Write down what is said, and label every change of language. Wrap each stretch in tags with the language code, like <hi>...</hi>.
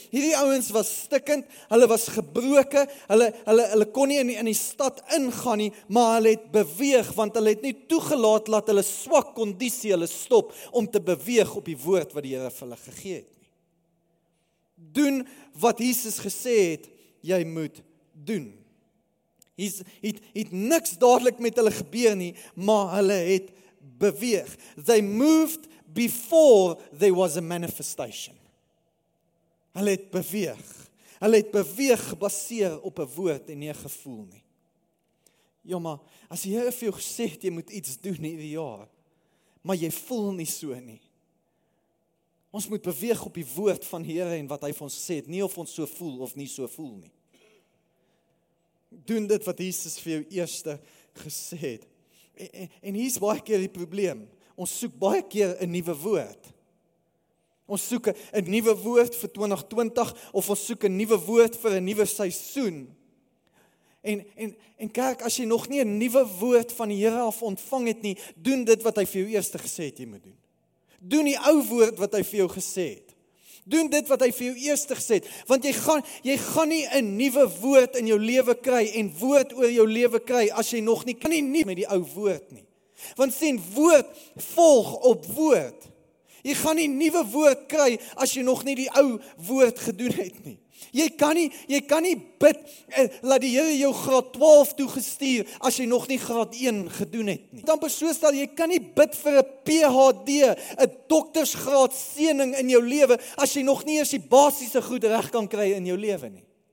<af>Hierdie ouens was stikkend, hulle was gebroken, hulle kon nie in die stad ingaan nie, maar hulle het beweeg, want hulle het nie toegelaat, laat hulle swak kondisie, hulle stop, om te beweeg op die woord wat die Here vir hulle gegee het. Doen wat Jesus gesê het, jy moet doen. Het niks dadelijk met hulle gebeur nie, maar hulle het beweeg.</af> <en>They moved before there was a manifestation.</en> <af>Hulle het beweeg gebaseer op 'n woord en nie 'n gevoel nie. Ja, maar as die Here vir jou gesê het, jy moet iets doen hierdie jaar, maar jy voel nie so nie. Ons moet beweeg op die woord van die Here en wat hy vir ons gesê het, nie of ons so voel of nie so voel nie. Doen dit wat Jesus vir jou eerste gesê het. En hier is baie keer die probleem. Ons soek baie keer 'n nuwe woord. Ons soek 'n nuwe woord vir 2020, of ons soek 'n nuwe woord vir 'n nuwe seisoen. En kerk, as jy nog nie 'n nuwe woord van die Here af ontvang het nie, doen dit wat hy vir jou eerste gesê het jy moet doen. Doen die ou woord wat hy vir jou gesê het. Doen dit wat hy vir jou eerste gesê het, want jy gaan nie 'n nuwe woord in jou lewe kry en woord oor jou lewe kry as jy nog nie kan nie nie met die ou woord nie. Want sien, woord volg op woord. Jy gaan nie nuwe woord kry as jy nog nie die ou woord gedoen het nie. Jy kan nie bid laat die Here jou graad 12 toe gestuur as jy nog nie graad 1 gedoen het nie. Dan besoos dat jy kan nie bid vir 'n PhD, 'n doktersgraad seëning in jou lewe as jy nog nie eens die basiese goed reg kan kry in jou lewe nie.</af>